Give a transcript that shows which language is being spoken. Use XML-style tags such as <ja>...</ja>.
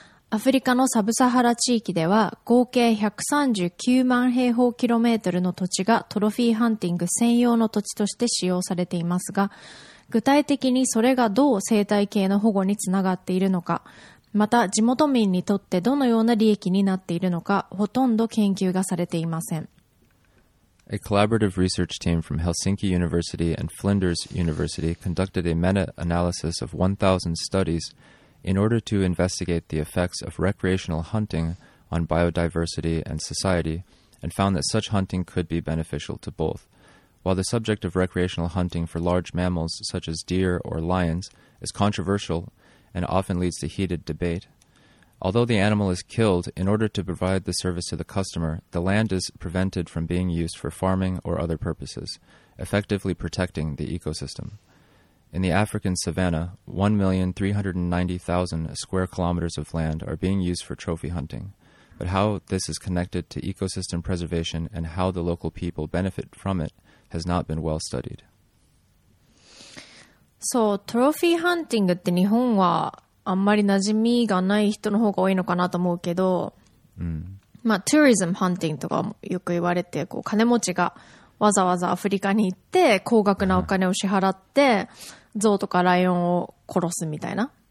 <ja>アフリカのサブサハラ地域では合計139万平方キロメートルの土地がトロフィーハンティング専用の土地として使用されていますが、具体的にそれがどう生態系の保護につながっているのか、また地元民にとってどのような利益になっているのか、ほとんど研究がされていません。</ja> <en>A collaborative research team from Helsinki University and Flinders University conducted a meta-analysis of 1,000 studies in order to investigate the effects of recreational hunting on biodiversity and society, and found that such hunting could be beneficial to both. While the subject of recreational hunting for large mammals such as deer or lions is controversial,and often leads to heated debate. Although the animal is killed, in order to provide the service to the customer, the land is prevented from being used for farming or other purposes, effectively protecting the ecosystem. In the African savanna, 1,390,000 square kilometers of land are being used for trophy hunting. But how this is connected to ecosystem preservation and how the local people benefit from it has not been well studied.</en> <ja>そう、トロフィーハンティングって日本はあんまり馴染みがない人の方が多いのかなと思うけど、うん、まあ、トゥーリズムハンティングとかもよく言われて、こう、金持ちがわざわざアフリカに行って、高額なお金を支払って、ゾウとかライオンを殺すみたいな。</ja>